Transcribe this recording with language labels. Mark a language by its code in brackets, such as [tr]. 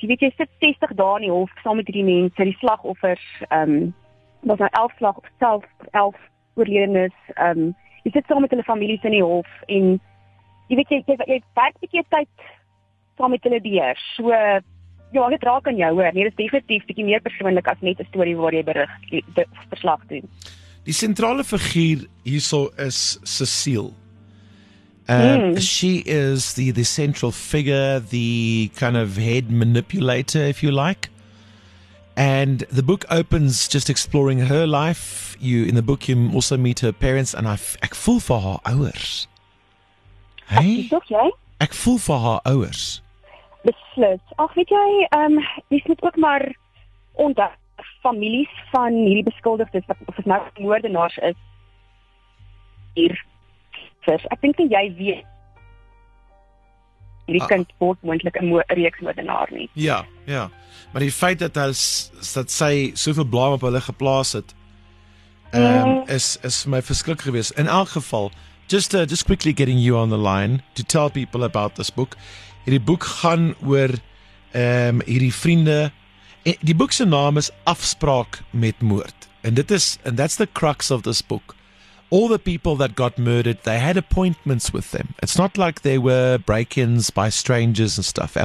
[af] Jy weet, jy sit 60 dae in die hof saam met die mense, die slagoffers, was nou 11 slagoffers, self 11 oorledenes, jy sit saam met hulle families in die hof, en jy weet, jy werk bietjie tyd saam met hulle deur, so ja, dit raak aan jou, hoor. Nee, dit is definitief bietjie meer persoonlik as net 'n story waar jy berig, verslag doen. Die sentrale figuur hierso is Cecile. [en] She is the central figure, the kind of head manipulator, if you like. And the book opens just exploring her life. In the book, you also meet her parents, and [af] ek voel vir haar ouers. Hey? Ek dink jy? Ek voel vir haar ouers. Beslis. Ag, weet jy, dis net ook maar onder families van hierdie beskuldigdes wat of nou moordenaars is. Hier. Ek dink nie jy weet hierdie kind word moontlik 'n reeks moordenaar nie. Ja, ja. Maar die feit dat sy soveel blame op hulle geplaas het, is my verskrik gewees. In elk geval, [en] just quickly getting you on the line to tell people about this book. [af] Hierdie boek gaan oor hierdie vriende. Die boek se naam is Afspraak met Moord. [en] And that's the crux of this book. All the people that got murdered, they had appointments with them. It's not like they were break-ins by strangers and stuff.